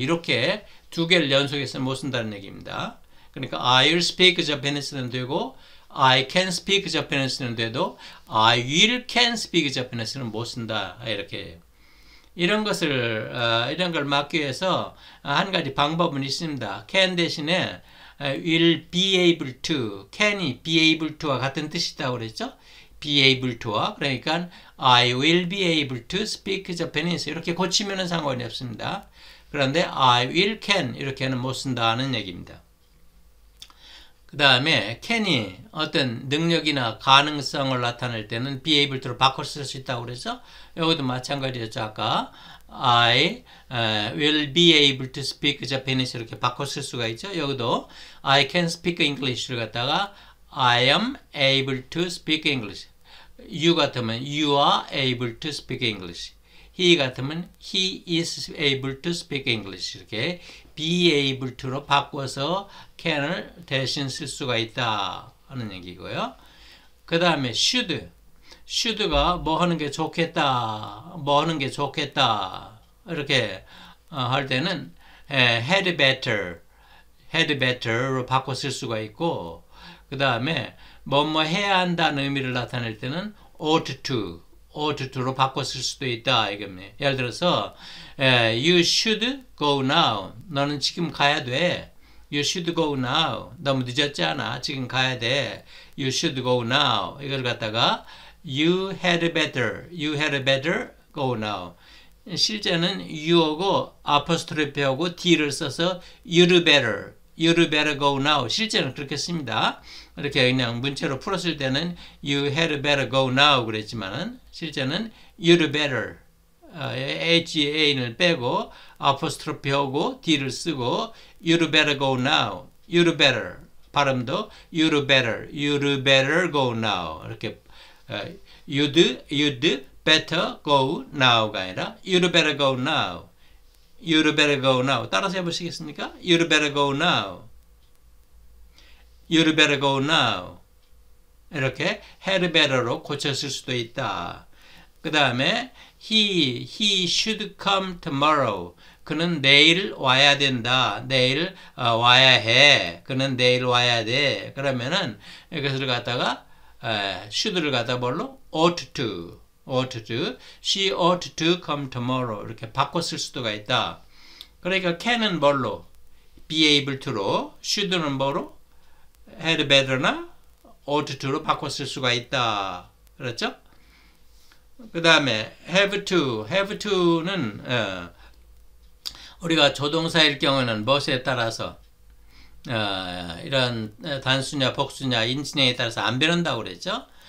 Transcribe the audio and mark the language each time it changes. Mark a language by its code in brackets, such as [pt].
[ko] 이렇게 두 개를 연속해서 못 쓴다는 얘기입니다. 그러니까 [en] I'll speak Japanese [ko] 는 되고 [en] I can speak Japanese [ko] 는 돼도 [en] I will can speak Japanese [ko] 는 못 쓴다 이렇게 이런 걸 막기 위해서 한 가지 방법은 있습니다. Can 대신에 will be able to, can이 be able to와 같은 뜻이 있다고 그랬죠? [en] Be able to와 [ko] 그러니까 [en] I will be able to speak Japanese [ko] 이렇게 고치면은 상관이 없습니다. 그런데 I will can 이렇게는 못 쓴다는 얘기입니다. 그 다음에 can이 어떤 능력이나 가능성을 나타낼 때는 be able to로 바꿔 쓸수 있다고 그랬죠? 여기도 마찬가지였죠. 아까 [en] I will be able to speak Japanese [ko] 이렇게 바꿔 쓸 수가 있죠. 여기도 [en] I can speak English를 [ko] 갖다가 [en] I am able to speak English. You [ko] 같으면 [en] you are able to speak English. [ko] He 같으면 [en] he is able to speak English [ko] 이렇게 be able to로 바꿔서 can을 대신 쓸 수가 있다 하는 얘기고요. 그 다음에 should가 뭐 하는 게 좋겠다, 뭐 하는 게 좋겠다 이렇게 할 때는 had better로 바꿔 쓸 수가 있고, 그 다음에 뭐뭐 해야 한다는 의미를 나타낼 때는 ought to로 바꿔 쓸 수도 있다 이겁니다. 예를 들어서 [en] you should go now. [ko] 너는 지금 가야 돼. [en] You should go now. [ko] 너무 늦었잖아. 지금 가야 돼. [en] You should go now. [ko] 이걸 갖다가 [en] you had better go now. [ko] 실제는 you하고 apostrophe하고 d를 써서 [en] you'd better go now. [ko] 실제는 그렇게 씁니다. 이렇게 그냥 문체로 풀었을 때는 [en] you had better go now [ko] 그랬지만은 실제는 you'd better h-a-n을 빼고 apostrophe하고 d를 쓰고 [en] you'd better go now. you'd better [ko] 발음도 [en] you'd better go now [ko] 이렇게 [en] you'd better go now가 [ko] 아니라 [en] you'd better go now. you'd better go now. [ko] 따라서 해보시겠습니까? [en] you'd better go now. You'd better go now. [ko] 이렇게 had better로 고쳤을 수도 있다. 그 다음에 [en] he should come tomorrow. [ko] 그는 내일 와야 된다. 내일 와야 해. 그는 내일 와야 돼. 그러면은 이것을 갖다가 should를 갖다 뭘로? [en] ought to. She ought to come tomorrow. [ko] 이렇게 바꿔 쓸 수도가 있다. 그러니까 can은 뭘로? Be able to로. should는 뭐로? had better나 ought to로 바꿔 쓸 수가 있다. 그렇죠? 그 다음에 have to는 우리가 조동사일 경우는 무엇에 따라서 이런 단수냐 복수냐 인칭에 따라서 안 변한다고 그랬죠?